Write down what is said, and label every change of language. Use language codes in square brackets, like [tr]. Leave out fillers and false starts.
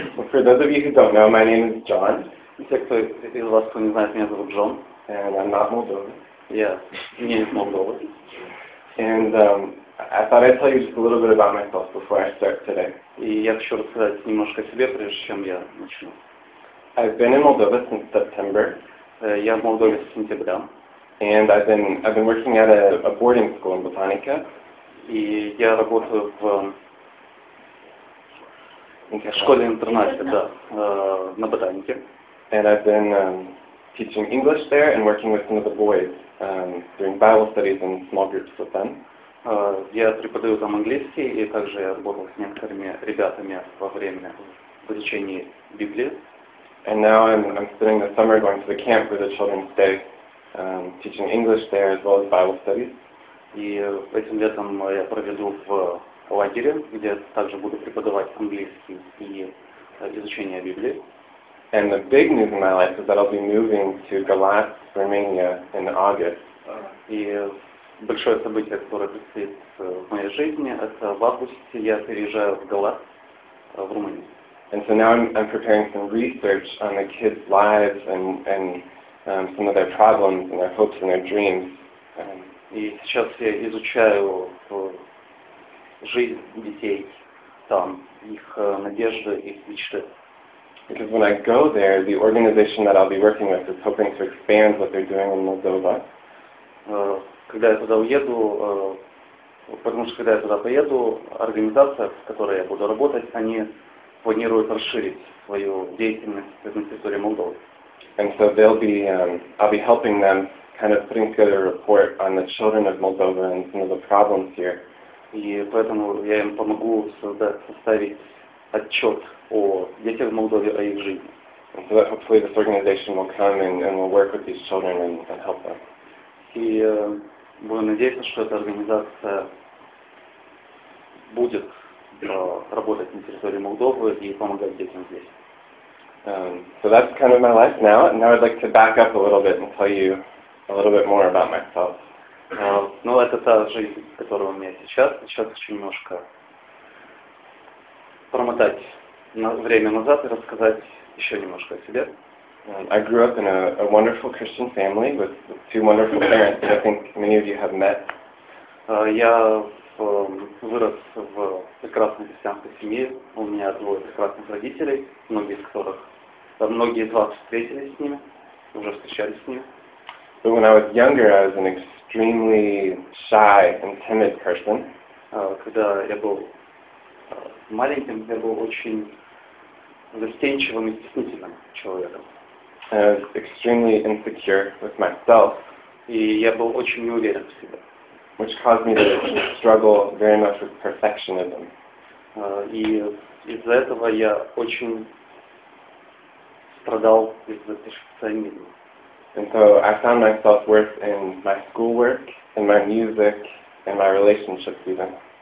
[en] For those of you who don't know, my name is John. [ru] Те, кто из вас, кто не знает, меня зовут Джон. [en] And I'm not Moldovan. [ru] Yeah, не из Молдовы. [en] And I thought I'd tell you just a little bit about myself before I start today. [ru] И я хочу рассказать немножко о себе, прежде чем я начну. [en] I've been in Moldova since September. [ru] Я в Молдове с сентября. [en] And I've been working at a boarding school in Botanica. [ru] И я работаю в школе-интернате, да, на Ботанике. [en] And I've been teaching English there and working with some of the boys, doing Bible studies in small groups with them. [ru] Я преподаю там английский, и также я работал с некоторыми ребятами во время изучения Библии. [en] And now I'm spending the summer going to the camp where the children stay, teaching English there as well as Bible studies. [ru] И этим летом я проведу в лагере, где также буду преподавать английский и изучение Библии. [en] And the big news in my life is that I'll be moving to Galați, Romania in August. [ru] И большое событие, которое предстоит в моей жизни, это в августе я переезжаю в Галац, в Румынию. [en] And so now I'm preparing some research on the kids' lives and some of their problems and their hopes and their dreams. [ru] И сейчас я изучаю жизнь детей там, их надежды, их мечты. [en] Because when I go there, the organization that I'll be working with is hoping to expand what they're doing in Moldova. [ru] Когда я туда уеду, потому что когда я туда поеду, организация, в которой я буду работать, они планируют расширить свою деятельность на территории Молдовы. [en] And so I'll be helping them, kind of putting together a report on the children of Moldova and some of the problems here. [ru] И поэтому я им помогу составить отчет о детях в Молдове, о их жизни. [en] And so that hopefully this organization will come and will work with these children and help them. [ru] И будем надеяться, что эта организация будет работать на территории Молдовы и помогать детям здесь. [en] So that's kind of my life now. Now I'd like to back up a little bit and tell you a little bit more about myself. [ru] Ну, это та жизнь, которая у меня сейчас. Сейчас хочу немножко промотать время назад и рассказать еще немножко о себе. [en] I grew up in a wonderful Christian family with two wonderful parents that I think many of you have met. [ru] Я вырос в прекрасной христианской семье. У меня двое прекрасных родителей, многие из вас встретились с ними, уже встречались с ними. [en] But when I was younger, I was an extremely shy and timid person. [ru] Когда я был маленьким, я был очень застенчивым и стеснительным человеком. [en] I was extremely insecure with myself. [ru] И я был очень неуверен в себе. [en] Which caused me to struggle very much with perfectionism. [ru] И из-за этого я очень страдал из-за перфекционизма. [en] And so I found my self-worth in my schoolwork, in my music, in my relationships even.